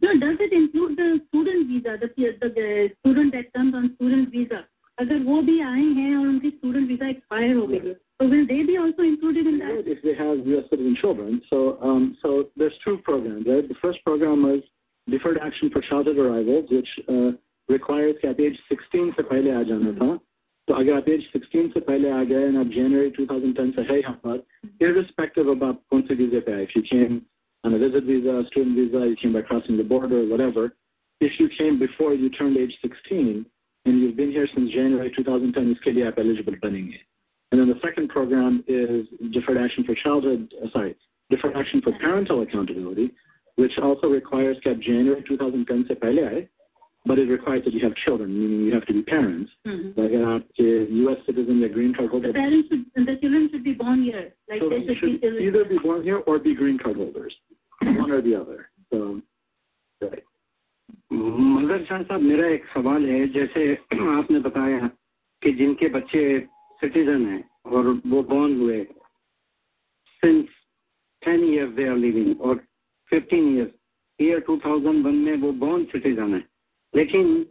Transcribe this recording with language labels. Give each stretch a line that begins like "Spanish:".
English: No, does it include the student visa, the student that comes on student visa? If they also come and their student visa expires, so will they be also included in that? If they have U.S. citizen children. So there's two programs, right? The first program was deferred action for childhood arrivals, which... requires
Hindi: कि आप as 16 से पहले आ जाना था तो अगर आप as 16 से पहले आ गए
English: and आप जनवरी 2010
Hindi: से है यहाँ पर
English: irrespective
Hindi: अब आप कौन से वीजे पे आए
English: if you came on a visit visa student visa you came by crossing the border whatever if you came before you turned age 16 and you have been here since January 2010
Hindi: इसके लिए आप eligible बनेंगे
English: and the second program is deferred action for childhood sorry deferred action for parental accountability which also requires
Hindi: कि आप जनवरी 2010 से पहले आए
English: But it requires that you have children, meaning you have to be parents. Mm-hmm. Like, U.S. citizen, the green card holder. The children should be born here. Either be born here or be green card holders. One or the other. So,
Hindi: mother Shah साहब मेरा एक सवाल है जैसे आपने बताया कि जिनके बच्चे सिटीजन हैं और वो बोर्न हुए
English: since 10 years they are living
Hindi: और 15 इयर्स ईयर 2001 में वो बोर्न सिटीजन है लेकिन